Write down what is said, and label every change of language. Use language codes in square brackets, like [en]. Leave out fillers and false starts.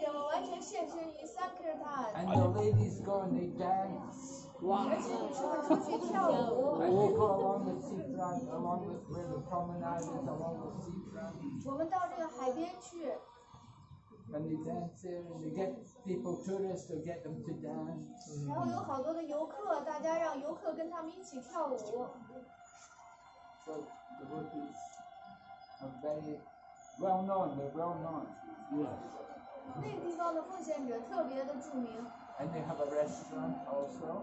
[zh] 者们完全献身于 Sankirtan。 [en] And the ladies go and they dance。 [zh] 哇！而且女生们出去跳舞。 [en] We go along the seafront, along with where the promenade is along the seafront。 [zh] 我们到这个海边去。 [en] And they dance there, and they get people, tourists, to get them to dance. [zh] 然后有好多的游客，大家让游客跟他们一起跳舞。 [en] So the devotees are very well known. They're well known. Yes. [zh] 那地方的奉献者特别的著名。 [en] And they have a restaurant also.